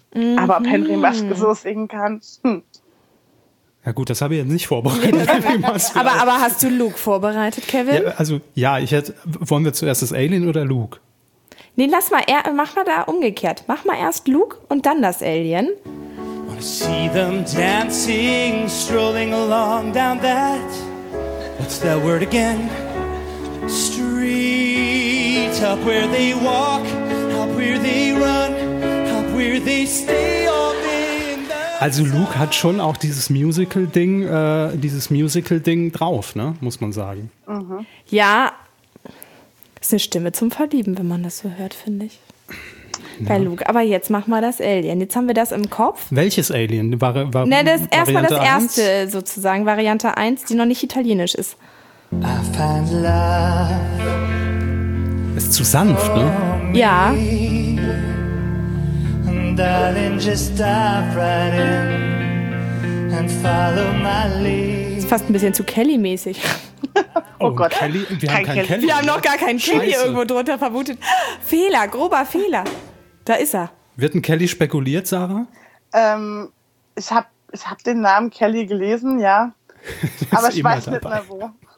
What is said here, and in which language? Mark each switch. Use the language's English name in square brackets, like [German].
[German] Mhm. Aber ob Henry Maske so singen kann? Ja gut, das habe ich jetzt nicht vorbereitet. aber hast du Luke vorbereitet, Kevin? Ja, also ja, wollen wir zuerst das Alien oder Luke? Nee, lass mal, mach mal da umgekehrt. Mach mal erst Luke und dann das Alien. [English] Wanna see them dancing, strolling along down that, what's that word again? Street, up where they walk, up where they run, up where they stay all day. [German] Also Luke hat schon auch dieses Musical-Ding drauf, ne? Muss man sagen. Mhm. Ja, ist eine Stimme zum Verlieben, wenn man das so hört, finde ich. Ja. Bei Luke. Aber jetzt mach mal das Alien. Jetzt haben wir das im Kopf. Welches Alien? War Nein, das ist erstmal das erste, sozusagen, Variante 1, die noch nicht italienisch ist. [English] I find love. [German] Ist zu sanft, ne? Ja. [English] And darling, just dive right in and follow my lead. [German] Ist fast ein bisschen zu Kelly-mäßig. Oh Gott, Kelly? Wir haben keinen Kelly. Wir haben noch gar keinen Kelly irgendwo drunter vermutet. Fehler, grober Fehler. Da ist er. Wird ein Kelly spekuliert, Sarah? Ich hab den Namen Kelly gelesen, ja. Aber ich weiß nicht mehr wo.